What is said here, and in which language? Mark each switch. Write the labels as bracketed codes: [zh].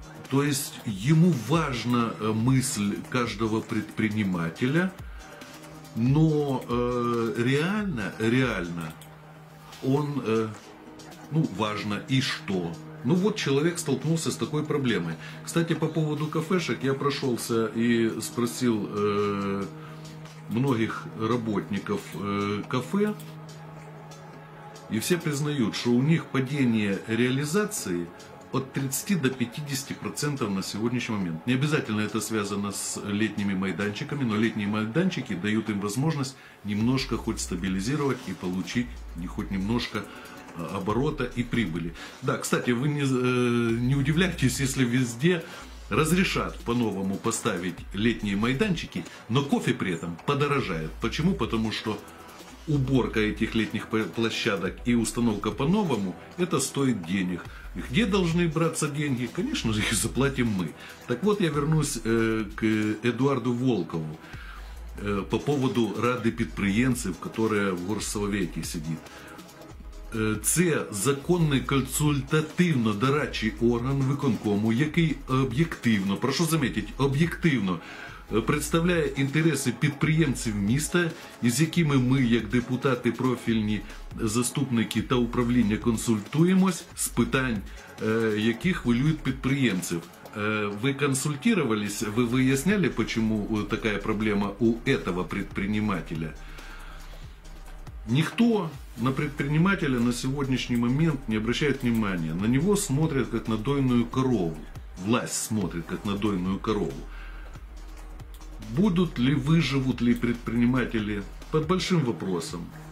[uk] То есть йому важна мисль кожного підприємця, [ru] но реально он важно и что? Ну вот человек столкнулся с такой проблемой. Кстати, по поводу кафешек я прошелся и спросил многих работников кафе, и все признают, что у них падение реализации от 30 до 50% на сегодняшний момент. Не обязательно это связано с летними майданчиками, но летние майданчики дают им возможность немножко хоть стабилизировать и получить не хоть немножко оборота и прибыли. Да, кстати, вы не удивляйтесь, если везде разрешат по-новому поставить летние майданчики, но кофе при этом подорожает. Почему? Потому что уборка этих летних площадок и установка по-новому, это стоит денег. Где должны браться деньги? Конечно же, их заплатим мы. Так вот, я вернусь к Эдуарду Волкову по поводу рады предприемцев, которая в горсовете сидит. [uk] це законний консультативно-дорадчий орган виконкому, який об'єктивно, [ru] прошу заметити, [uk] об'єктивно представляє інтереси підприємців міста, із якими ми, як депутати, профільні заступники та управління консультуємось з питань, які хвилюють підприємців. Ви консультувалися, ви виясняли, чому така проблема у цього підприємця? [ru] Ніхто на предпринимателя на сегодняшний момент не обращает внимания. На него смотрят как на дойную корову. Власть смотрит как на дойную корову. Будут ли, выживут ли предприниматели? Под большим вопросом.